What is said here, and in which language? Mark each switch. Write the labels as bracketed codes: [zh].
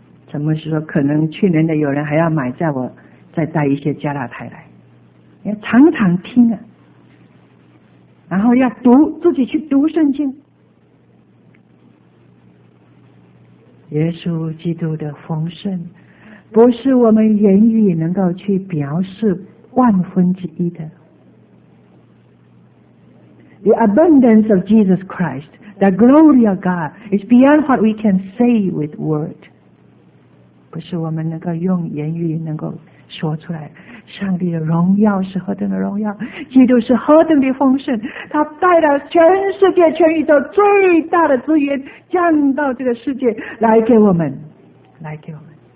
[zh] 怎么是说可能去年的有人还要买，叫我再带一些加拉太来，要常常听啊，然后要读，自己去读圣经。耶稣基督的丰盛不是我们言语能够去表示万分之一的。 [en] The abundance of Jesus Christ, the glory of God is beyond what we can say with word. [zh] 不是我们能够用言语能够说出来。上帝的荣耀是何等的荣耀，基督是何等的丰盛，他带了全世界全宇宙最大的资源降到这个世界来给我们，来给我们。